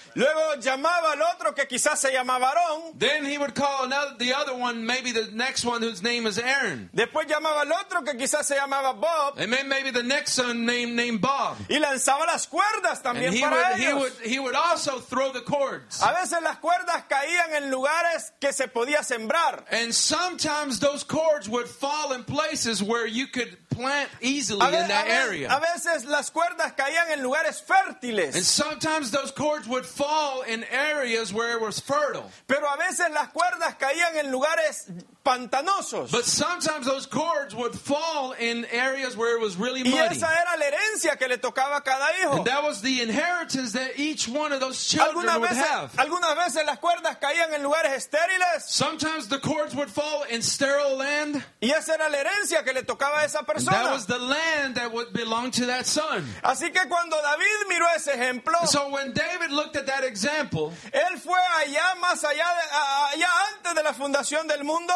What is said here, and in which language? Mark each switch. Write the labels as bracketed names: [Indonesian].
[Spanish] Luego llamaba al otro que quizás se llamaba Aarón. [English] Then he would call the other one, maybe the next one whose name is Aaron. [Spanish] Después llamaba al otro que quizás se llamaba Bob. [English] And then maybe the next son named Bob. [Spanish] Y lanzaba las cuerdas también [English] and [Spanish] para ellos. [English] He would also throw the cords. [Spanish] A veces las cuerdas caían en lugares que se podía sembrar. [English] And sometimes those cords would fall in places where you could plant easily in that area. [Spanish] A veces las cuerdas caían en lugares fértiles. [English] And sometimes those cords would fall in areas where it was fertile. [Spanish] Pero a veces las cuerdas caían en lugares pantanosos. [English] But sometimes those cords would fall in areas where it was really muddy. [Spanish] Y esa era la herencia que le tocaba a cada hijo. [English] And that was the inheritance that each one of those children would have. [Spanish] Algunas veces las cuerdas caían en lugares estériles. [English] Sometimes the cords would fall in sterile land. [Spanish] Y esa era la herencia que le tocaba a esa persona. [English] And that was the land that would belong to that son. [Spanish] Así que cuando David miró ese ejemplo, [English] so when David looked at that example, [Spanish] él fue allá más allá de, allá antes de la fundación del mundo.